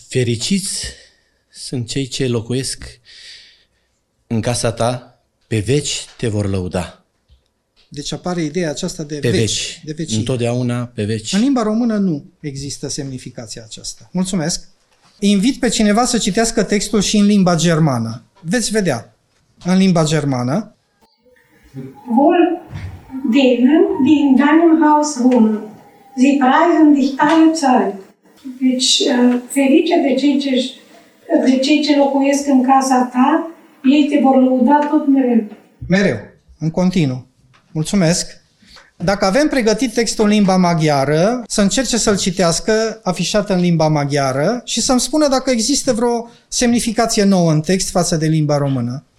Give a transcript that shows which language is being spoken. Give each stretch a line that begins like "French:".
Romanian: Fericiți sunt cei ce locuiesc în casa ta, pe veci te vor lăuda. Deci apare ideea aceasta de pe veci, de veci. Întotdeauna pe veci. În limba română nu există semnificația aceasta. Mulțumesc. Invit pe cineva să citească textul și în limba germană. Veți vedea. În limba germană.
German: Wohl denen, die in deinem Haus wohnen. Sie preisen dich alle Zeit.
Romanian: Deci, ferice de cei ce, locuiesc în casa ta, ei te vor lăuda tot mereu. Mereu, în continuu. Mulțumesc. Dacă avem pregătit textul în limba maghiară, să încerce să-l citească afișat în limba maghiară și să-mi spună dacă există vreo semnificație nouă în text față de limba română.